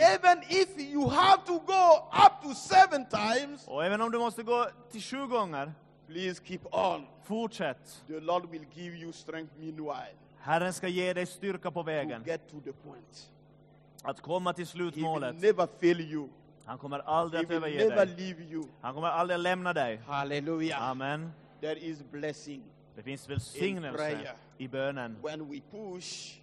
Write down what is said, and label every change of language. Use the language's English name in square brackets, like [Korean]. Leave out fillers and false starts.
[English] And even if you have to go up to 7 times. [Swedish] Och även om du måste gå till 7 gånger. [English] Please keep on. [Swedish] Fortsätt. [English] The Lord will give you strength meanwhile. [Swedish] Herren ska ge dig styrka på vägen. [English] To get to the point. [Swedish] Att komma till slutmålet. [English] He will never fail you. [Swedish] Han kommer aldrig att överge dig. [English] He will never leave you. [Swedish] Han kommer aldrig att lämna dig. [English] Hallelujah. [Swedish] Amen. [English] There is blessing. [Swedish] Det finns välsignelse i bönen. [English] When we push,